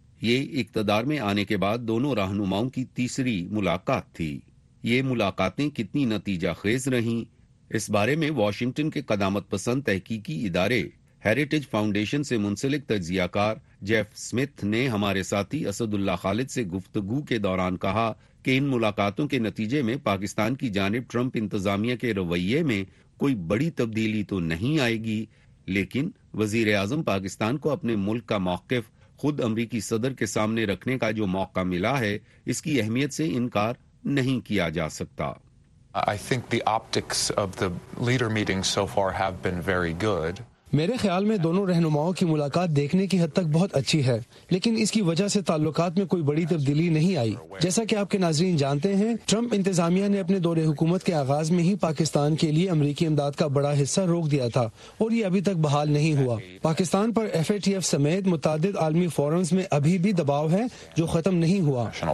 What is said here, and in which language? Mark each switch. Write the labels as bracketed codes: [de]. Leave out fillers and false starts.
[ur] یہ اقتدار میں آنے کے بعد دونوں رہنماؤں کی تیسری ملاقات تھی۔ یہ ملاقاتیں کتنی نتیجہ خیز رہیں، اس بارے میں واشنگٹن کے قدامت پسند تحقیقی ادارے ہیریٹیج فاؤنڈیشن سے منسلک تجزیہ کار جیف سمتھ نے ہمارے ساتھی اسد اللہ خالد سے گفتگو کے دوران کہا کہ ان ملاقاتوں کے نتیجے میں پاکستان کی جانب ٹرمپ انتظامیہ کے رویے میں کوئی بڑی تبدیلی تو نہیں آئے گی، لیکن وزیر اعظم پاکستان کو اپنے ملک کا موقف خود امریکی صدر کے سامنے رکھنے کا جو موقع ملا ہے، اس کی اہمیت سے انکار نہیں کیا جا سکتا۔ [en] I think the optics of the leader meeting so far have been very good. [ur] میرے خیال میں دونوں رہنماؤں کی ملاقات دیکھنے کی حد تک بہت اچھی ہے، لیکن اس کی وجہ سے تعلقات میں کوئی بڑی تبدیلی نہیں آئی۔ جیسا کہ آپ کے ناظرین جانتے ہیں، ٹرمپ انتظامیہ نے اپنے دور حکومت کے آغاز میں ہی پاکستان کے لیے امریکی امداد کا بڑا حصہ روک دیا تھا اور یہ ابھی تک بحال نہیں ہوا۔ پاکستان پر ایف اے ٹی ایف سمیت متعدد عالمی فورمز میں ابھی بھی دباؤ ہے جو ختم نہیں ہوا۔